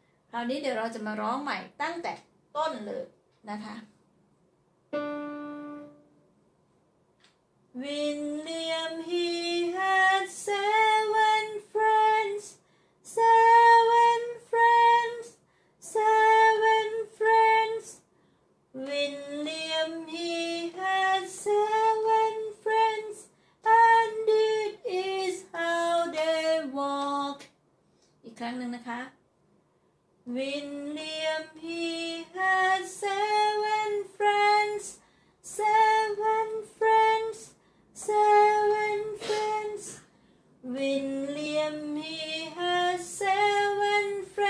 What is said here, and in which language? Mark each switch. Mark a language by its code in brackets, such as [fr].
[th] คราวนี้เดี๋ยวเราจะมาร้องใหม่ตั้งแต่ต้นเลยนะคะ [en] William, he had seven friends, seven friends, seven friends. William, he had seven friends, and it is how they walk. [th] อีกครั้งหนึ่งนะคะ [en] William, he had seven friends, seven friends. Seven friends, William, he has seven